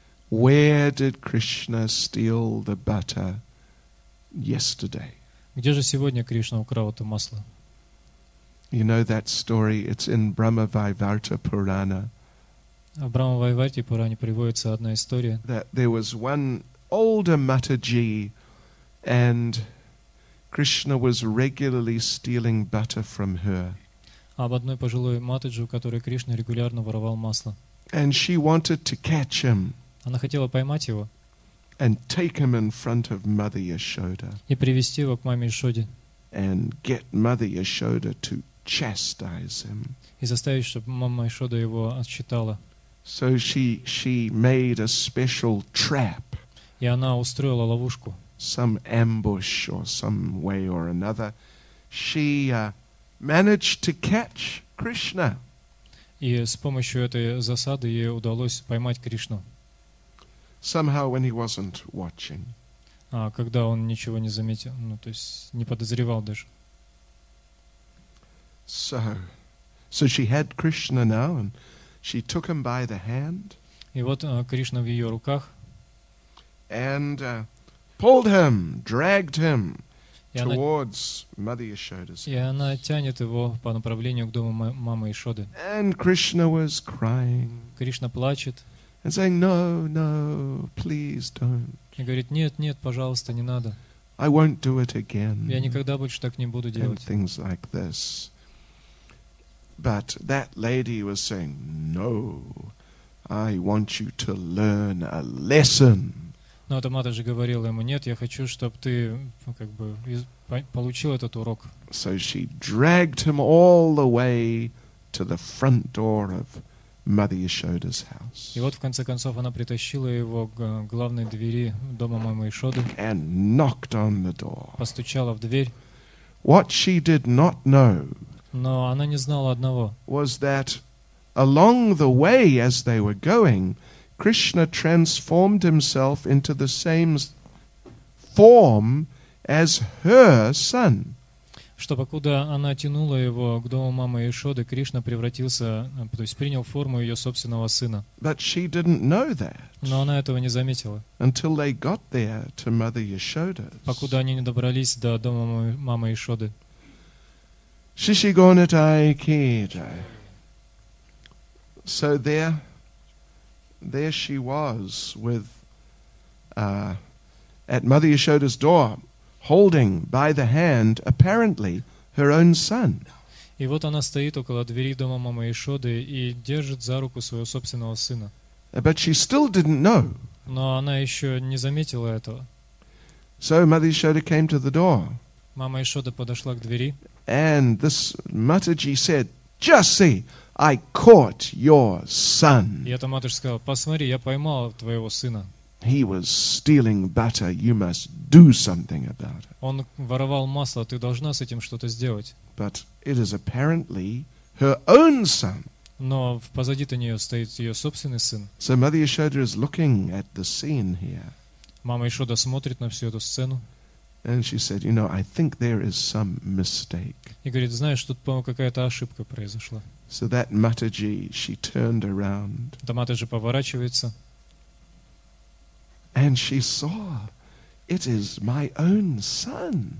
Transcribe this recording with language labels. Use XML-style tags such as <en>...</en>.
<en>Where did Krishna steal the butter yesterday?</en> <ru>Где же сегодня Кришна украл это масло?</ru> <en>You know that story? It's in Brahmavaivarta Purana.</en> <ru>В Брахмавайварте Пуране приводится одна история.</ru> <en>That there was one older Mataji, and Krishna was regularly stealing butter from her.</en> <ru>Об одной пожилой Матаджи, у которой Кришна регулярно воровал масло.</ru> <en>And she wanted to catch him.</en> <ru>Она хотела поймать его.</ru> <en>And take him in front of Mother Yashoda.</en> <ru>И привести его к маме Яшоде.</ru> <en>And get Mother Yashoda to chastise him.</en> <ru>И заставить, чтобы мама Яшода его отчитала.</ru> <en>So she made a special trap.</en> <ru>И она устроила ловушку.</ru> <en>Some ambush or some way or another, she managed to catch Krishna.</en> <ru>И с помощью этой засады ей удалось поймать Кришну.</ru> <en>Somehow, when he wasn't watching.</en> <ru>Когда он ничего не заметил, ну то есть не подозревал даже.</ru> <en>So she had Krishna now, and she took him by the hand.</en> <ru>И вот Кришна в ее руках.</ru> <en>And pulled him, dragged him towards Mother Yashoda's.</en> <ru>И она тянет его по направлению к дому мамы Яшоды.</ru> <en>And Krishna was crying.</en> <ru>Кришна плачет.</ru> <en>And saying, "No, no, please don't."</en> <ru>И говорит, нет, нет, пожалуйста, не надо.</ru> <en>I won't do it again.</en> <ru>Я никогда больше так не буду делать.</ru> <en>And things like this. But that lady was saying, "No, I want you to learn a lesson."</en> <ru>Но эта мать же говорила ему, нет, я хочу, чтобы ты как бы получил этот урок.</ru> <en>So she dragged him all the way to the front door of Mother Yashoda's house.</en> <ru>И вот в конце концов она притащила его к главной двери дома мамы Яшоды.</ru> <en>And knocked on the door.</en> <ru>Постучала в дверь.</ru> <en>What she did not know.</en> <ru>Но она не знала одного.</ru> <en>Was that along the way as they were going, Krishna transformed himself into the same form as her son.</en> <ru>Что покуда она тянула его к дому мамы Яшоды, Кришна превратился, то есть принял форму ее собственного сына.</ru> <en>But she didn't know that.</en> <ru>Но она этого не заметила.</ru> <en>Until they got there to Mother Yashoda's.</en> <ru>Покуда они не добрались до дома мамы Яшоды. Шишигонатай кеджай.</ru> <en>So there she was with at Mother Yashoda's door, holding by the hand, apparently, her own son.</en> <ru>И вот она стоит около двери дома мамы Яшоды и держит за руку своего собственного сына.</ru> <en>But she still didn't know.</en> <ru>Но она еще не заметила этого.</ru> <en>So Mother Yashoda came to the door.</en> <ru>Мама Яшода подошла к двери.</ru> <en>And this Mataji said, "Just see, I caught your son."</en> <ru>И эта матушка сказала: "Посмотри, я поймала твоего сына."</ru> <en>He was stealing butter. You must do something about it.</en> <ru>Он воровал масло. Ты должна с этим что-то сделать.</ru> <en>But it is apparently her own son.</en> <ru>Но позади-то нее стоит ее собственный сын.</ru> <en>So Mother Yashoda is looking at the scene here.</en> <ru>Мама Яшода смотрит на всю эту сцену.</ru> <en>And she said, "You know, I think there is some mistake."</en> <ru>И говорит: "Знаешь, тут, по-моему, какая-то ошибка произошла."</ru> <en>So that Mataji, she turned around.</en> <ru>Да, Матаджи поворачивается.</ru> <en>And she saw, it is my own son.</en>